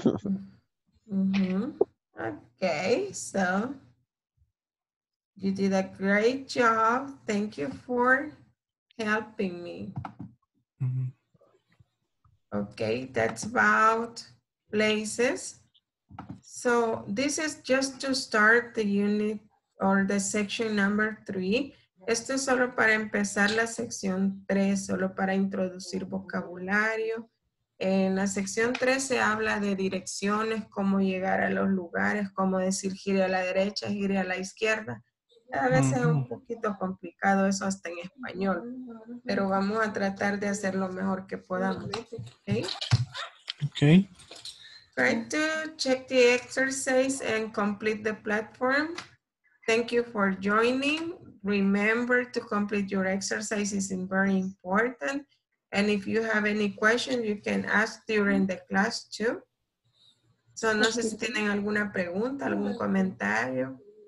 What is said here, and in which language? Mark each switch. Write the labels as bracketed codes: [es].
[en] Mm-hmm. Okay. So you did a great job. Thank you for helping me. Mm-hmm. Okay. That's about places. So this is just to start the unit or the section number 3. [es] Esto es solo para empezar la sección 3, solo para introducir vocabulario. En la sección 3 se habla de direcciones, cómo llegar a los lugares, cómo decir gire a la derecha, gire a la izquierda. A veces es un poquito complicado eso hasta en español, pero vamos a tratar de hacer lo mejor que podamos. [en] Okay. Okay. Try to check the exercise and complete the platform. Thank you for joining. Remember to complete your exercises, it's very important. And if you have any questions, you can ask during the class too. [es] So no sé si tienen alguna pregunta, algún comentario.